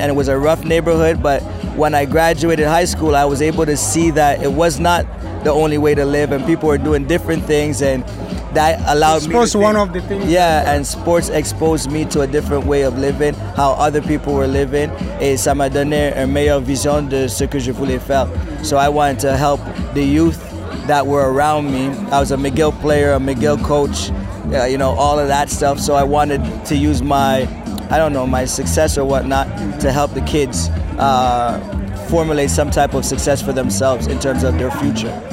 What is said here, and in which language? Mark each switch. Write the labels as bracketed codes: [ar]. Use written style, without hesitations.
[en] And it was a rough neighborhood, but when I graduated high school, I was able to see that it was not the only way to live, and people were doing different things, and that allowed me. Sports was one of the things. Yeah, and sports exposed me to a different way of living, how other people were living. [fr] Et ça m'a donné une meilleure vision de ce que je voulais faire. [en] So I wanted to help the youth that were around me. I was a McGill player, a McGill coach, you know, all of that stuff. So I wanted to use my success or whatnot to help the kids formulate some type of success for themselves in terms of their future.